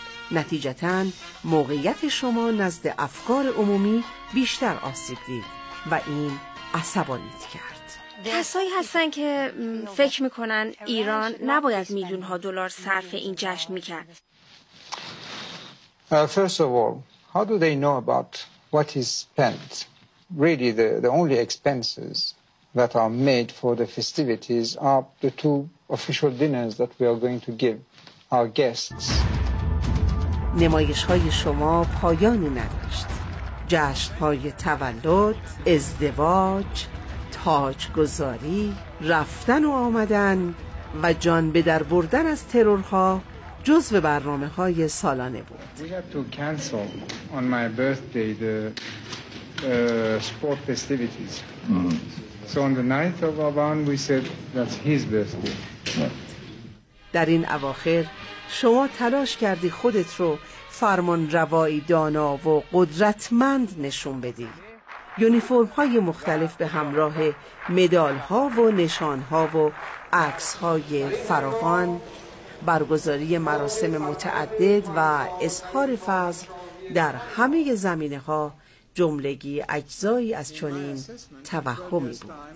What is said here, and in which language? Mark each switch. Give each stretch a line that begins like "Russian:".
Persian: نتیجتاً موقعیت شما نزد افکار عمومی بیشتر آسیب دید و این عصبانیت کرد. کسایی هستن که فکر میکنن ایران نباید میلیون ها دلار صرف این جشن میکرد.
English: First of all, how do they know about what is spent? Really the only expenses that are made for the festivities are the two official dinners that we are going to give our guests.
Persian: نمایش های شما پایانی نداشت. جشن های تولد، ازدواج، تاج گذاری، رفتن و آمدن و جان به در بردن از ترورها جزء برنامه های سالانه بود.
English: We had to cancel on my birthday the sport festivities. So on the night of Avan we said that's his birthday.
Persian: در این اواخر شما تلاش کردی خودت رو فرمان روای دانا و قدرتمند نشون بدی. یونیفورم های مختلف به همراه مدال ها و نشان ها و عکس های فراوان، برگزاری مراسم متعدد و اظهار فضل در همه زمینه ها جملگی اجزایی از چنین توهمی بود.